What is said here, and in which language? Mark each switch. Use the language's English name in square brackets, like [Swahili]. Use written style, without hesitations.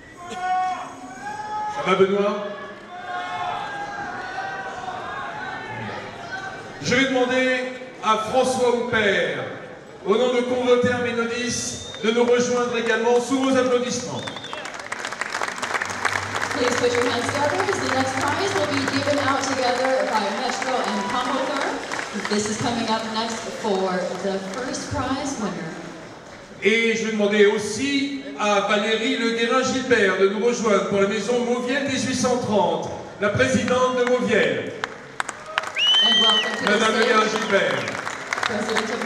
[French] Ça va, Benoît ? Je vais demander à François Houpert, au nom de Convoter Ménodis, de nous rejoindre également sous vos applaudissements. [English] Please put your hands together as the next prize will be given out together by Metro and Convoter. This is coming up next for the first prize winner. [French] Et je vais demander aussi à Valérie Le Guérin-Gilbert de nous rejoindre pour la maison Mauvienne 1830, la présidente de Mauvienne. Madame Le Guérin-Gilbert.